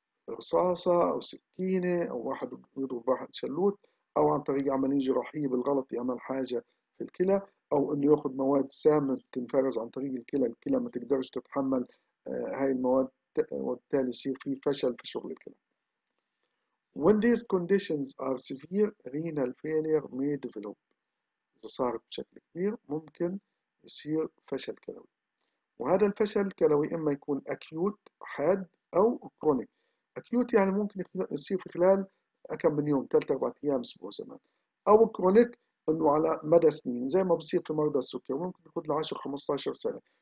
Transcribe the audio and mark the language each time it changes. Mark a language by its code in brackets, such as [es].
[ar] رصاصة أو سكينة، أو واحد يضرب واحد شلوت، أو عن طريق عملية جراحية بالغلط يعمل حاجة في الكلى، أو إنه ياخد مواد سامة تنفرز عن طريق الكلى، الكلى ما تقدرش تتحمل هاي المواد وبالتالي يصير في فشل في شغل الكلى. [en] When these conditions are severe, renal failure may develop. [ar] إذا صار بشكل كبير ممكن يصير فشل كلوي. وهذا الفشل الكلوي إما يكون acute حاد أو chronic. أكيوت يعني ممكن يصير في خلال كم من يوم، 3 4 أيام، أسبوع زمان، أو كرونيك إنه على مدى سنين زي ما بصير في مرضى السكر، ممكن يكون 10 15 سنة.